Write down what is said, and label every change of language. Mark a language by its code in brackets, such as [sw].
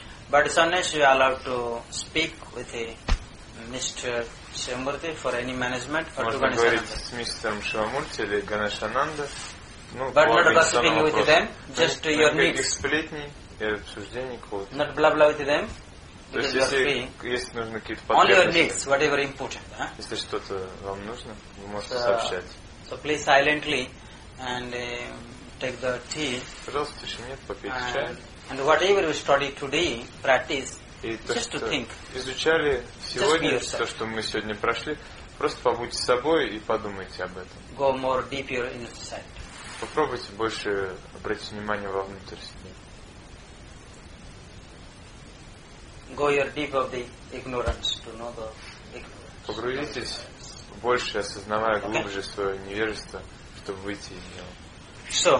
[en] But sometimes you are allowed to speak with a Mr. Shivamurti for any management or [ru] Можно [en] to [ru] говорить с мистером Шивамурти или Ганешананда. [en] But not gossiping with them, just to your needs. [ru] Сплетни и обсуждений кого-то. [en] Not blah-blah with them. [ru] То есть, если нужны какие-то потребности. [en] Only your needs, whatever important. [ru] Если что-то вам нужно, вы можете сообщать. [en] So please silently and take the tea. [ru] Пожалуйста, еще нет, попейте чай. [en] And whatever we study today, practice, just to think. [ru] Изучали сегодня то, что мы сегодня прошли, просто побудьте с собой и подумайте об этом. [en] Go more deeper inside. [ru] Попробуйте больше обратить внимание вовнутрь себя. [en] Go your deep of the ignorance to know the ignorance. [ru] Погрузитесь больше, осознавая глубже свое невежество, чтобы выйти из него.